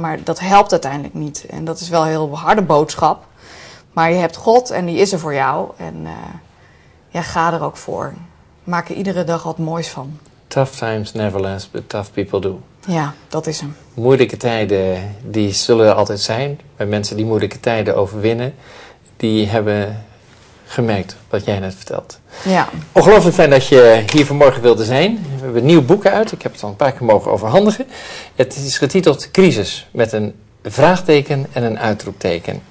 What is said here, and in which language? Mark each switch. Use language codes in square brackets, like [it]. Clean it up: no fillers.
[nl] Maar dat helpt uiteindelijk niet. En dat is wel een heel harde boodschap. Maar je hebt God en die is er voor jou. En ga er ook voor. Maak er iedere dag wat moois van. [en] Tough times never last, but tough people do. [nl] Ja, dat is hem. Moeilijke tijden, die zullen er altijd zijn. Maar mensen die moeilijke tijden overwinnen, die hebben gemerkt wat jij net vertelt. Ja. Ongelooflijk fijn dat je hier vanmorgen wilde zijn. We hebben nieuwe boeken uit. Ik heb het al een paar keer mogen overhandigen. Het is getiteld Crisis, met een vraagteken en een uitroepteken.